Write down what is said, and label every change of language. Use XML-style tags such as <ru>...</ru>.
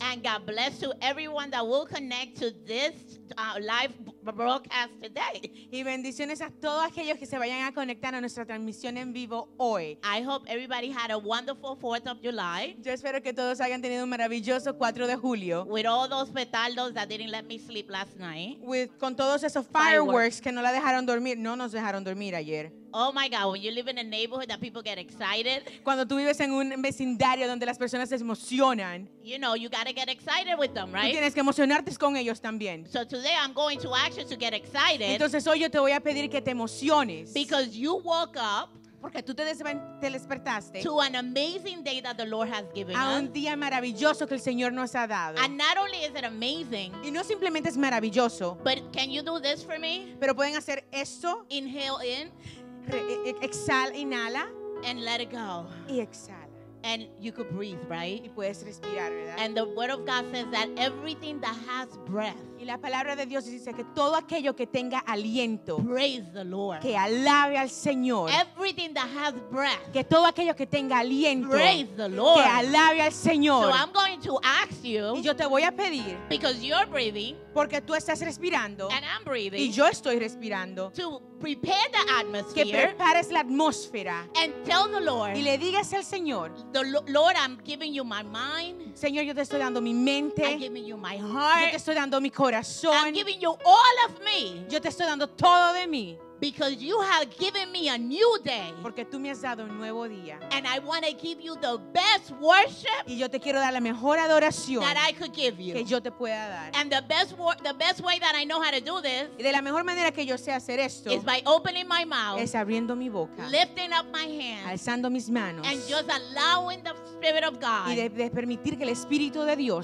<en>And God bless to everyone that will connect to this live broadcast today.</en> <es>Y bendiciones a todos aquellos que se vayan a conectar a nuestra transmisión en vivo hoy.</es> <en>I hope everybody had a wonderful 4th of July.</en> <es>Yo espero que todos hayan tenido un maravilloso 4 de julio.</es> <en>With all those petardos that didn't let me sleep last night.</en> <es>Con todos esos fireworks que no la dejaron dormir, no nos dejaron dormir ayer.</es> <en>Oh my God, when you live in a neighborhood that people get excited.</en> <es>Cuando tú vives en un vecindario donde las personas se emocionan.</es> <en>You know, you gotta get excited with them, right?</en> <es>Tú tienes que emocionarte con ellos también.</es> <en>So today I'm going to ask you to get excited.</en> <es>Entonces hoy yo te voy a pedir que te emociones.</es> <en>Because you woke up.</en> <es>Porque tú te despertaste.</es> <en>To an amazing day that the Lord has given us.</en> <es>A un día maravilloso que el Señor nos ha dado.</es> <en>And not only is it amazing.</en> <es>Y no simplemente es maravilloso.</es> <en>But can you do this for me?</en> <es>Pero pueden hacer esto.</es> <en>Inhale in.</en> <es>Exhala, inhala.</es> <en>And let it go.</en> <es>Y exhala.</es> <en>And you could breathe, right?</en> <es>Y puedes respirar, ¿verdad?</es> <en>And the word of God says that everything that has breath.</en> <es>Y la palabra de Dios dice que todo aquello que tenga aliento.</es> <en>Praise the Lord.</en> <es>Que alabe al Señor.</es> <en>Everything that has breath.</en> <es>Que todo aquello que tenga aliento.</es> <en>Praise the Lord.</en> <es>Que alabe al Señor.</es> <en>So I'm going to ask you.</en> <es>Y yo te voy a pedir.</es> <en>Because you're breathing.</en> <es>Porque tú estás respirando.</es> <en>And I'm breathing.</en> <es>Y yo estoy respirando.</es> <en>To prepare the atmosphere.</en> <es>Que prepares la atmósfera.</es> <en>And tell the Lord.</en> <es>Y le digas al Señor.</es> <en>The Lord, I'm giving you my mind.</en> <es>Señor, yo te estoy dando mi mente.</es> <en>I'm giving you my heart.</en> <es>Yo te estoy dando mi corazón.</es> <en>I'm giving you all of me.</en> <es>Yo te estoy dando todo de mí.</es> <en>Because you have given me a new day.</en> <es>Porque tú me has dado un nuevo día.</es> <en>And I want to give you the best worship.</en> <es>Y yo te quiero dar la mejor adoración.</es> <en>That I could give you.</en> <es>Que yo te pueda dar.</es> <en>And the best way that I know how to do this.</en> <es>Y de la mejor manera que yo sé hacer esto.</es> <en>Is by opening my mouth.</en> <es>Es abriendo mi boca.</es> <en>Lifting up my hands.</en> <es>Alzando mis manos.</es> <en>And just allowing the Spirit of God.</en> <es>Y de permitir que el Espíritu de Dios.</es>